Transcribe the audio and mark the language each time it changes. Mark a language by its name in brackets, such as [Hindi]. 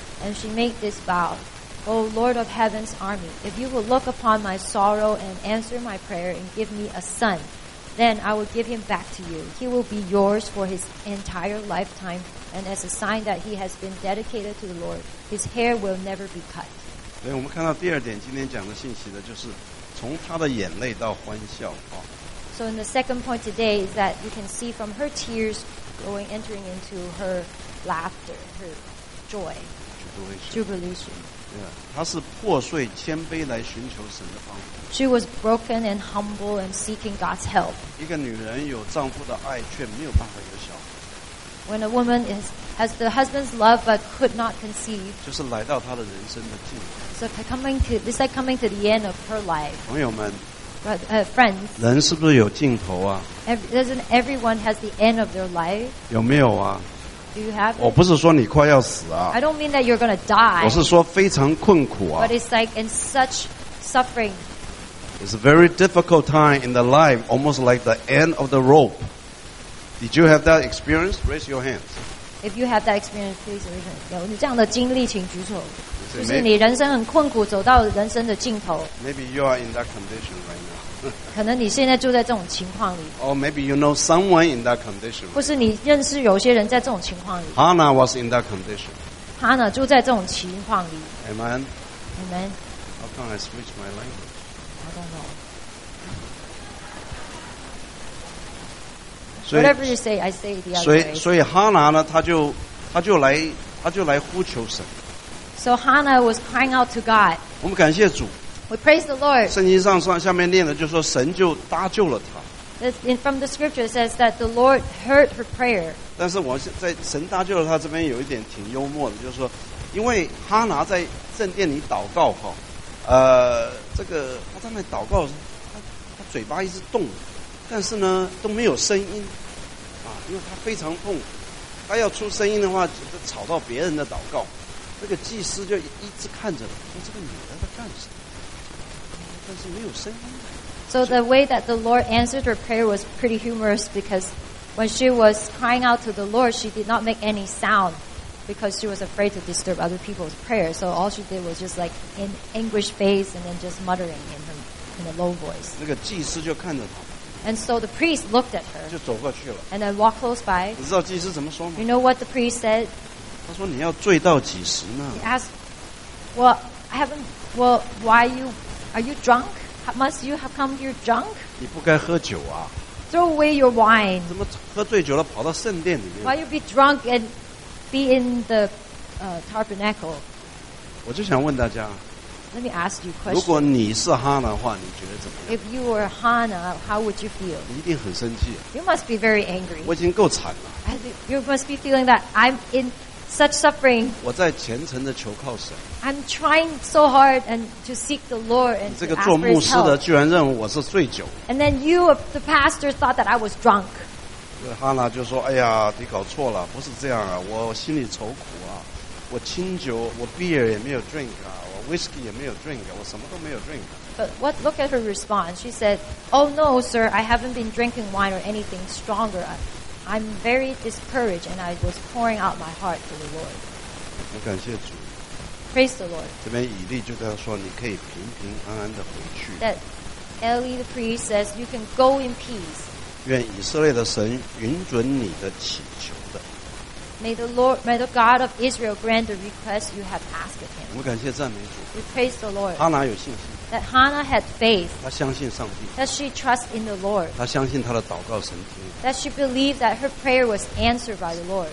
[English] And she made this vow, O Lord of heaven's army, if you will look upon my sorrow and answer my prayer and give me a son, then I will give him back to you. He will be yours for his entire lifetime, and as a sign that he has been dedicated to the Lord, his hair will never be cut. [Chinese] 所以我们看到第二点今天讲的信息的就是从她的眼泪到欢笑啊。 [English] So in the second point today is that you can see from her tears going entering into her laughter, her joy, jubilation. [Chinese] Yeah, 她是破碎谦卑来寻求神的帮助。 [English] She was broken and humble and seeking God's help. [Chinese] 一个女人有丈夫的爱却没有办法有小孩。 [English] When a woman has the husband's love but could not conceive, [Chinese] 就是来到她的人生的尽头。 [English] It's like coming to the end of her life. [Chinese] 朋友们 [English] friends, [Chinese] 人是不是有尽头啊？ [English] Doesn't everyone has the end of their life? [Chinese] 有没有啊？ [English] Do you have? [Chinese] 我不是说你快要死啊。 [English] I don't mean that you're going to die. [Chinese] 我是说非常困苦啊。 [English] But it's like in such suffering. It's a very difficult time in the life, almost like the end of the rope. Did you have that experience? Raise your hands. If you have that experience, please raise your hands. [Chinese] 有你这样的经历，请举手。就是你人生很困苦，走到人生的尽头。 [English] Maybe you are in that condition right now. [Chinese] 可能你现在就在这种情况里。 [English] Or maybe you know someone in that condition. [Chinese] 或是你认识有些人在这种情况里。 [English] Hannah was in that condition. [Chinese] Hannah 就在这种情况里。 [English] Amen. Amen. How come I switch my language? I don't know. Whatever you say, I say the other way. [Chinese] 所以 Hannah 呢，她就来呼求神。 [English] So Hannah was crying out to God. [Chinese] 我们感谢主。 [English] We praise the Lord. [Chinese] 圣经上下面念的就是说神就搭救了她。 [English] From the scripture it says that the Lord heard her prayer. [Chinese] 但是我在神搭救了她这边有一点挺幽默的，就是说因为哈拿在圣殿里祷告哈，这个她在那祷告，她嘴巴一直动，但是呢都没有声音啊，因为她非常痛，她要出声音的话就吵到别人的祷告。这个祭司就一直看着说这个女的在干什么，但是没有声音。 [English] So the way that the Lord answered her prayer was pretty humorous, because when she was crying out to the Lord, she did not make any sound because she was afraid to disturb other people's prayer. So all she did was just like in anguish face and then just muttering in a low voice. [Chinese] 那个祭司就看着她。 [English] And so the priest looked at her. [Chinese] 就走过去了。 [English] And then walked close by. [Chinese] 你知道祭司怎么说吗？ [English] You know what the priest said? [Chinese] 他说：“你要醉到几时呢？” [English] He asked, "Well, I haven't. Well, why you? Are you drunk? Must you have come here drunk?" [Chinese] 你不该喝酒啊 [English] ！Throw away your wine. [Chinese] 怎么喝醉酒了跑到圣殿里面 [English] ？Why you be drunk and be in the tabernacle? [Chinese] 我就想问大家 [English] ，Let me ask you a question. [Chinese] 如果你是哈拿的话，你觉得怎么样 [English] ？If you were Hannah, how would you feel? [Chinese] 你一定很生气。 [English] You must be very angry. [Chinese] 我已经够惨了。 [English] You must be feeling that I'm in. Such suffering. [Chinese] 我在虔诚的求靠神。 [English] I'm trying so hard and to seek the Lord and. [Chinese] 这个做牧师的居然认为我是醉酒。 [English] And then you, the pastor, thought that I was drunk. [Chinese] 哈拿就说：“哎呀，你搞错了，不是这样啊，我心里愁苦啊，我清酒，我 beer 也没有 [English] drink [Chinese] 啊，我 whiskey 也没有 drink， 我什么都没有 drink。” [English] But what? Look at her response. She said, "Oh no, sir, I haven't been drinking wine or anything stronger." I'm very discouraged, and I was pouring out my heart to the Lord. [Chinese] 我感谢主。 [English] Praise the Lord. [Chinese] 这边以利就在说，你可以平平安安的回去。 [English] That Eli the priest says you can go in peace. [Chinese] 愿以色列的神允准你的祈求的。 [English] May the Lord, may the God of Israel grant the request you have asked of him. [Chinese] 我们感谢赞美主。 [English] We praise the Lord. [Chinese] 哈拿有信心。 [English] That Hannah had faith. [Chinese] 她相信上帝。 [English] That she trusts in the Lord. [Chinese] 她相信她的祷告神听。 [English] That she believed that her prayer was answered by the Lord.